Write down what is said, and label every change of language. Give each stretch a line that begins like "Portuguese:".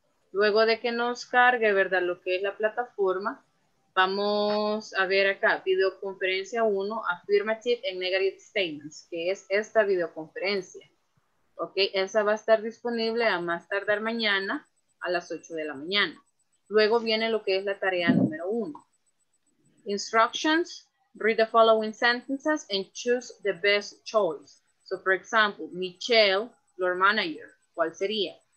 Spanish: Luego de que nos cargue, ¿verdad?, lo que es la plataforma, vamos a ver acá, videoconferencia 1,
English: Affirmative and Negative Statements,
Spanish: que es esta videoconferencia. Ok, esa va a estar disponible a más tardar mañana a las 8 de la mañana. Luego viene lo que es la tarea número 1.
English: Instructions. Read the following sentences and choose the best choice. So, for example, Michelle, floor manager,
Spanish: ¿cuál sería?